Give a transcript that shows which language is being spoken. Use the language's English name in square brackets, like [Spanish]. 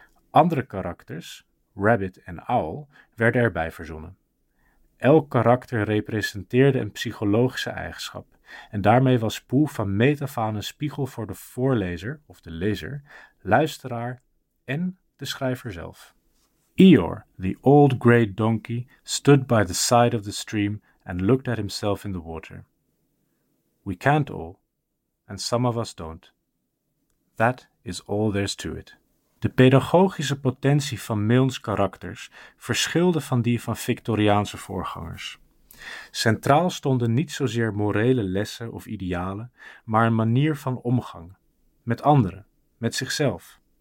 [Dutch] Andere karakters, Rabbit en Owl, werden erbij verzonnen. Elk karakter representeerde een psychologische eigenschap, en daarmee was Pooh van meet af aan een spiegel voor de voorlezer, of de lezer, luisteraar en de schrijver zelf. [English] Eeyore, the old grey donkey, stood by the side of the stream and looked at himself in the water. We can't all, and some of us don't. That is all there's to it. [Dutch] De pedagogische potentie van Milne's karakters verschilde van die van Victoriaanse voorgangers. Centraal stonden niet zozeer morele lessen of idealen, maar een manier van omgang, met anderen, met zichzelf.